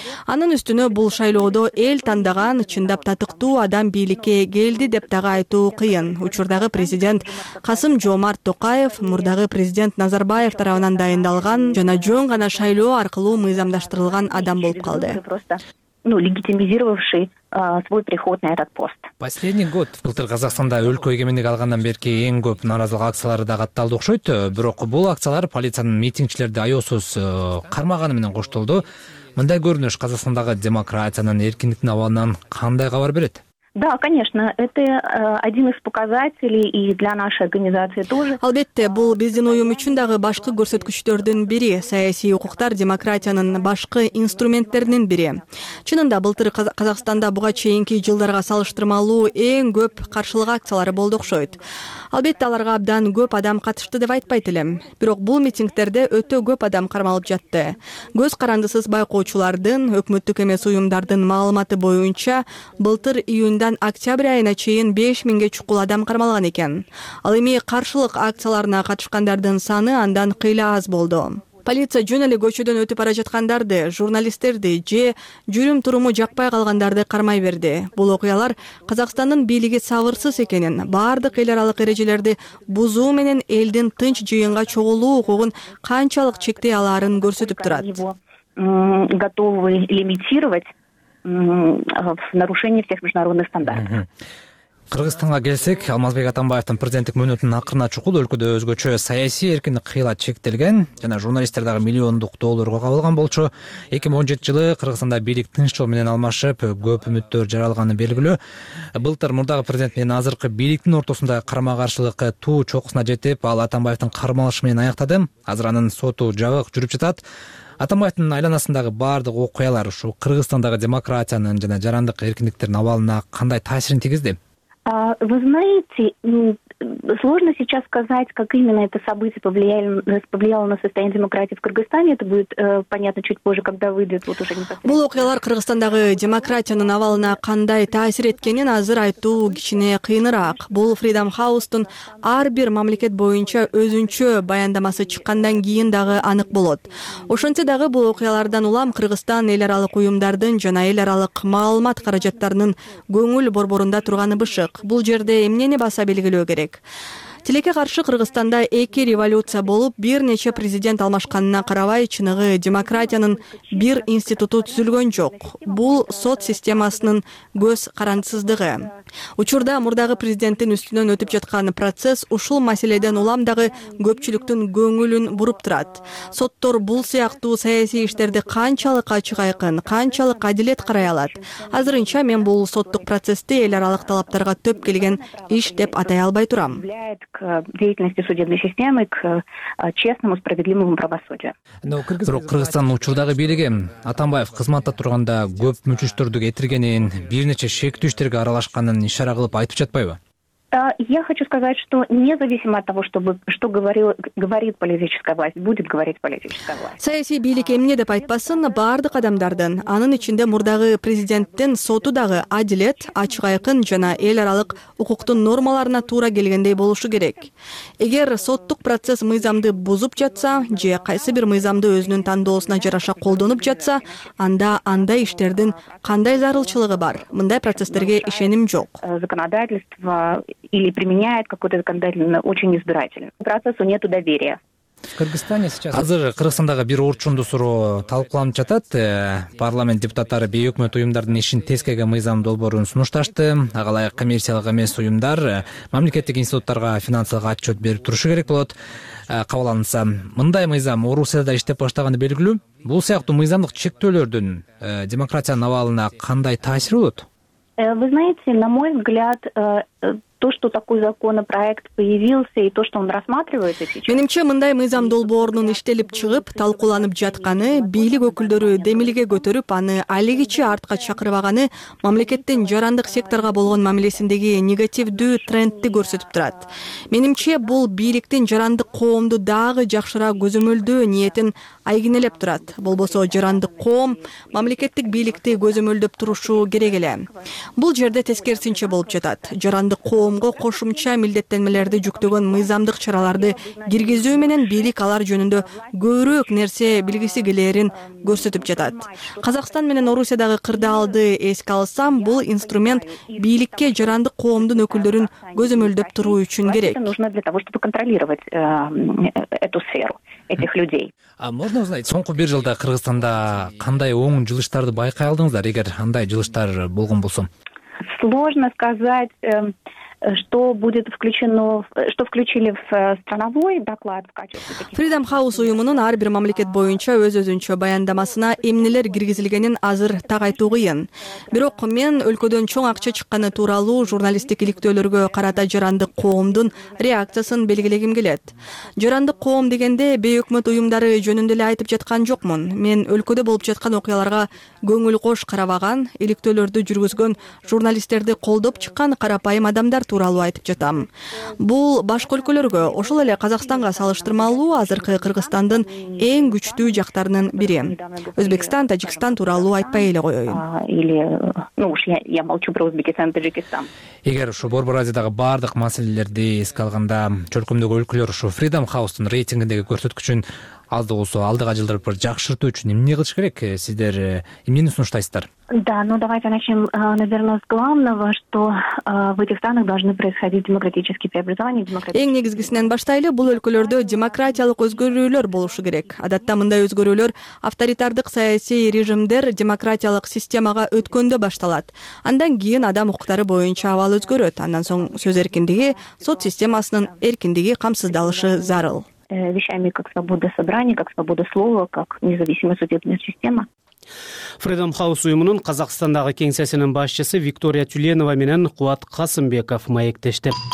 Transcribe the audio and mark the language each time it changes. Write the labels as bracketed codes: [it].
[ky] Анын үстүнө бул шайлоодо эл тандаган чындап татыктуу адам бийликке келди деп дагы айтуу кыйын. Учурдагы президент Касым Жомарт Токаев мурдагы президент Назарбаев тарабынан дайындалган жана жөн гана шайлоо аркылуу мыйзамдаштырылган адам болуп калды. [ru] Ну, легитимизировавший свой приход на этот пост. Последний год [ky] былтыр Казакстанда өлкө эгемендик алгандан берки эң көп нааразылык акциялары да катталды окшойт, бирок бул акциялар полициянын митингчилерди аёосуз кармаганы менен коштолду. Мындай көрүнүш Казакстандагы демократиянын эркиндиктин абалынан кандай кабар берет? [ru] Да, конечно, это один из показателей и для нашей организации тоже. [ky] Албетте, бул биздин уюм үчүн дагы башкы көрсөткүчтөрдүн бири, саясий укуктар демократиянын башкы инструменттеринин бири. Чынында былтыр Казакстанда буга чейинки жылдарга салыштырмалуу эң көп каршылык акциялары болду окшойт. Албетте, аларга абдан көп адам катышты деп айтпайт элем. Бирок бул митингтерде өтө көп адам кармалып жатты. Көз карандысыз байкоочулардын, өкмөттүк эмес уюмдардын маалыматы боюнча, былтыр июндан октябрь айына чейин 5000 чукул адам кармалган экен. Ал эми каршылык акцияларына катышкандардын саны андан кыйла аз болду. Полиция жөн эле көчөдөн өтүп бара жаткандарды, журналисттерди же жүрүм туруму жакпай калгандарды кармай берди. Бул окуялар Казакстандын бийлиги сабырсыз экенин, бардык эл аралык эрежелерди бузуу менен элдин тынч жыйынга чогулуу укугун канчалык чектей аларын көрсөтүп турат. [ru] Готовы лимитировать в нарушении всех международных стандартов. [ky] Кыргызстанга келсек, Алмазбек Атамбаевдин президенттик мөөнөтүнүн акырына чукул өлкөдө өзгөчө саясий эркин кыйла чектелген жана журналисттер дагы миллиондук долларга кабылган болчу. 2017 жылы Кыргызстанда бийлик тынч жол менен алмашып, көп үмүттөр жаралганы белгилүү. Былтыр мурдагы президент менен азыркы бийликтин ортосунда карама каршылык туу чокусуна жетип, ал Атамбаевдин кармалышы менен аяктады. Азыр анын соту жабык жүрүп жатат. Атамбаевдин айланасындагы бардык окуялар ушул Кыргызстандагы демократиянын жана жарандык эркиндиктердин абалына кандай таасирин тийгизди? [ru] Вы знаете, сложно сейчас сказать, как именно это событие повлияло на состояние демократии в Кыргызстане. Это будет понятно чуть позже, когда выйдет вот уже непосредственно. [ky] Бул окуялар Кыргызстандагы демократиянын абалына кандай таасир эткенин азыр айтуу кичине кыйыныраак. Бул Freedom House'тун ар бир мамлекет боюнча өзүнчө баяндамасы чыккандан кийин дагы анык болот. Ошентсе дагы бул окуялардан улам Кыргызстан эл аралык уюмдардын жана эл аралык маалымат каражаттарынын көңүл борборунда турганы бышык. Бул жерде эмнени баса белгилөө керек? Тилекке каршы Кыргызстанда эки революция болуп, бир нече президент алмашканына карабай, чыныгы демократиянын бир институту түзүлгөн жок. Бул сот системасынын көз карандысыздыгы. Учурда мурдагы президенттин үстүнөн өтүп жаткан процесс ушул маселеден улам дагы көпчүлүктүн көңүлүн буруп турат. Соттор бул сыяктуу саясий иштерди канчалык ачык айкын, канчалык адилет карай алат? Азырынча мен бул соттук процессти эл аралык талаптарга төп келген иш деп атай албай турам. [ru] к деятельности судебной системы, к честному, справедливому правосудию. [ky] Бирок Кыргызстандын учурдагы бийлиги Атамбаев кызматта турганда көп мүчүштөрдү кетиргенин, бир нече шектүүчтөргө аралашканын ишара кылып айтып жатпайбы? [ru] Я хочу сказать, что независимо от того, что говорит политическая власть, будет говорить политическая власть. [ky] Саяси бийлик эмне деп айтпасын, бардык адамдардын, анын ичинде мурдагы президенттин соту дагы адилет, ачык айкын жана эл аралык укуктун нормаларына туура келгендей болушу керек. Эгер соттук процесс мыйзамды бузуп жатса, же кайсы бир мыйзамды өзүнүн тандоосуна жараша колдонуп жатса, анда андай иштердин кандай зарылчылыгы бар? Мындай процесстерге ишеним жок. [ru] Законодательство или применяет какой-то законодательный очень избирательный. Процессу нету доверия. В Кыргызстане сейчас [ky] азыр Кыргызстандагы бир орчундо суроо талкууланып жатат. Парламент депутаттары бийлик өкмөт уюмдардын ишин тескерген мыйзам долбоорун сунушташты. Ага ылайык коммерциялык эмес уюмдар мамлекеттик институттарга финансылык отчет берип турушу керек болот. Кабылданса, мындай мыйзам Орусияда иштеп баштаганы белгилүү. Бул сыяктуу мыйзамдык чектөөлөрдүн демократиянын абалына кандай таасири болот? [ru] Вы знаете, на мой взгляд, то, что такой законопроект появился и то, что он рассматривается сейчас. [ky] Менимче мындай мыйзам долбоорунун иштелип чыгып, талкууланып жатканы, бийлик өкүлдөрү демилге көтөрүп, аны алегиче артка чакырбаганы мамлекеттин жарандык секторго болгон мамилесиндеги негативдүү трендди көрсөтүп турат. Менимче бул бийликтин жарандык коомду дагы жакшыраак көзөмөлдөө ниетин айгинелеп турат. Болбосо жарандык коом мамлекеттик бийликти көзөмөлдөп турушу керек эле. Бул жерде тескерисинче болуп жатат. Жарандык коомго кошумча милдеттенмелерди жүктөгөн мыйзамдык чараларды киргизүү менен бийлик алар жөнүндө көбүрөөк нерсе билгиси келерин көрсөтүп жатат. Казакстан менен Орусиядагы кырдаалды эске алсам, бул инструмент бийликке жарандык коомдун өкүлдөрүн көзөмөлдөп туруу үчүн керек. [ru] Нужно для того, чтобы контролировать эту сферу этих людей. А можно узнать, [ky] соңку бир жылда Кыргызстанда кандай оң жылыштарды байкай алдыңыздар, эгер андай жылыштар болгон болсо? [ru] Сложно сказать, что будет включено, что включили в страновой доклад в качестве. [ky] Freedom House уюмунун ар бир мамлекет боюнча өз-өзүнчө баяндамасына эмнелер киргизилгенин азыр так айтуу кыйын. Бирок мен өлкөдөн чоң акча чыкканы тууралуу журналисттик иликтөөлөргө карата жарандык коомдун реакциясын белгилегим келет. Жарандык коом дегенде бейөкмөт уюмдары жөнүндө эле айтып жаткан жокмун. Мен өлкөдө болуп жаткан окуяларга көңүл кош карабаган, иликтөөлөрдү жүргүзгөн журналисттерди колдоп чыккан карапайым адамдар тууралуу айтып жатам. Бул башка өлкөлөргө, ошол эле Казакстанга салыштырмалуу азыркы Кыргызстандын эң күчтүү жактарынын бири. Өзбекстан, Тажикстан тууралуу айтпай эле коёюн. [ru] Я молчу про Узбекистан, Тажикистан. [ky] Эгер ушул Борбор Азиядагы бардык маселелерди эске алганда, чөлкөмдөгү өлкөлөр ушул Freedom House'тун рейтингиндеги көрсөткүчүн аз да болсо алдыга жылдырып жакшыртуу үчүн эмне кылыш керек? Сиздер эмнени сунуштайсыздар? [ru] Да, давайте начнем, наверное, с главного, что в этих странах должны происходить демократические преобразования. [ky] Эң негизгисинен баштайлы, бул өлкөлөрдө демократиялык өзгөрүүлөр болушу керек. Адатта мындай өзгөрүүлөр авторитардык саясий режимдер демократиялык системага өткөндө башталат. Андан кийин адам укуктары боюнча абал өзгөрөт. Андан соң сөз эркиндиги, сот системасынын эркиндиги камсыздалышы зарыл. [ru] Вещами, как свобода собрания, как свобода слова, как независимая судебная система. [ky] Freedom House уюмунун Казакстандагы кеңсесинин башчысы Виктория Тюленова менен Кубат Касымбеков маектеште.